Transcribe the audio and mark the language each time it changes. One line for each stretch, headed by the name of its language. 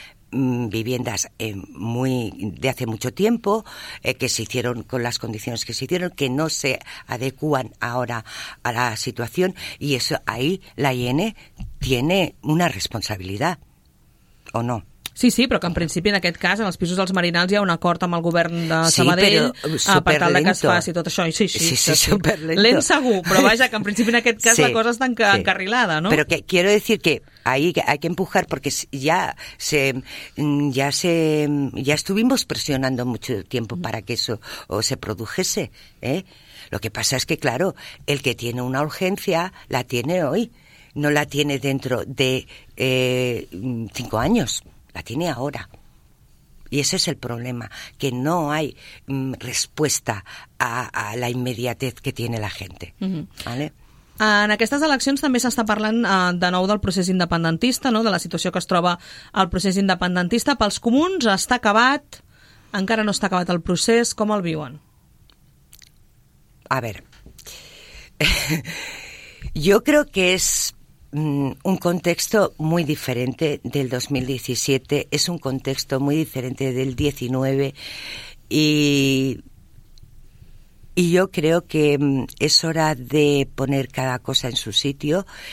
Spanish: Son viviendas de hace mucho tiempo, que se hicieron con las condiciones que se hicieron, que no se adecúan ahora a la situación, y eso ahí la IN tiene una responsabilidad, ¿o no?
Catalan: Sí, sí, però que en principi en aquest cas en els pisos dels Merinals hi ha un acord amb el govern de Sabadell per tal de que es faci tot això. Sí,
Spanish: superlento.
Catalan: Lent segur, però vaja, que en principi en aquest cas la cosa està encarrilada, no?
Spanish: Pero que quiero decir que ahí hay que empujar porque ya estuvimos presionando mucho tiempo para que eso o se produjese, ¿eh? Lo que pasa es que claro, el que tiene una urgencia la tiene hoy. no la tiene dentro de 5 años, la tiene ahora. Y ese es el problema, que no hay respuesta a la inmediatez que tiene la gente. Uh-huh. ¿Vale?
Catalan: En aquestes eleccions també s'està parlant de nou del procés independentista, no? De la situació que es troba el procés independentista. Pels comuns està acabat, encara no està acabat el procés, com el viuen?
Spanish: A ver, yo creo que es un contexto muy diferente del 2017, es un contexto muy diferente del 19 y yo creo que es hora de poner cada cosa en su sitio,